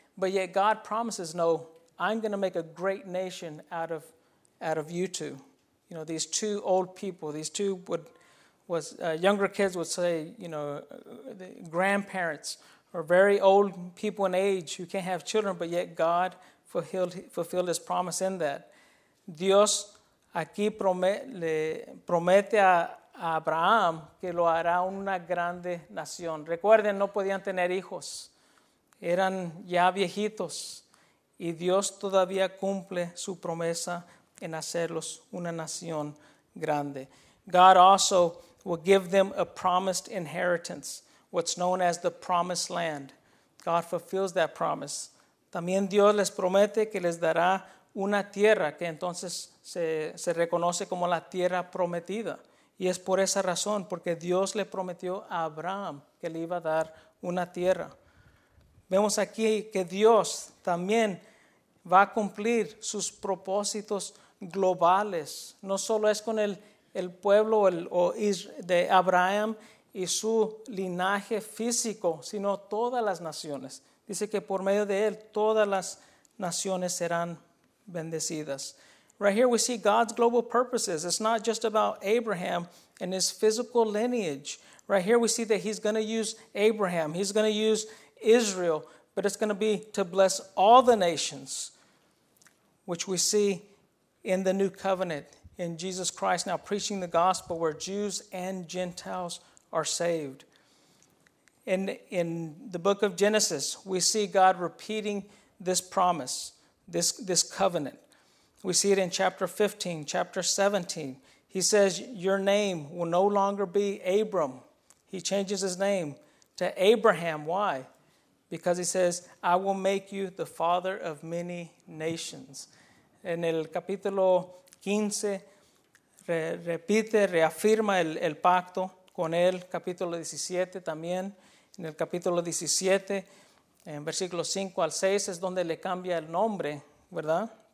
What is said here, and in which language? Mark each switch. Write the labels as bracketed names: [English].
[English] But yet God promises, no, I'm going to make a great nation out of you two. You know, these two old people, these two younger kids would say, you know, the grandparents or very old people in age who can't have children, but yet God fulfilled his promise in that. [Spanish] Dios aquí promete a Abraham que lo hará una grande nación. Recuerden, no podían tener hijos. Eran ya viejitos y Dios todavía cumple su promesa en hacerlos una nación grande. [English] God also will give them a promised inheritance, what's known as the promised land. God fulfills that promise. [Spanish] También Dios les promete que les dará una tierra que entonces se reconoce como la tierra prometida. Y es por esa razón, porque Dios le prometió a Abraham que le iba a dar una tierra. Vemos aquí que Dios también va a cumplir sus propósitos globales. No solo es con el pueblo de Abraham y su linaje físico, sino todas las naciones. Dice que por medio de él, todas las naciones serán bendecidas. [English] Right here we see God's global purposes. It's not just about Abraham and his physical lineage. Right here we see that he's going to use Abraham. He's going to use Israel, but it's going to be to bless all the nations, which we see in the new covenant in Jesus Christ now preaching the gospel where Jews and Gentiles are saved. In the book of Genesis, we see God repeating this promise, this covenant. We see it in chapter 15, chapter 17. He says, your name will no longer be Abram. He changes his name to Abraham. Why? Because he says, I will make you the father of many nations. [Spanish] En el capítulo 15, repite, reafirma el pacto con él. Capítulo 17 también. En el capítulo 17, en versículos 5 al 6, es donde le cambia el nombre, ¿verdad?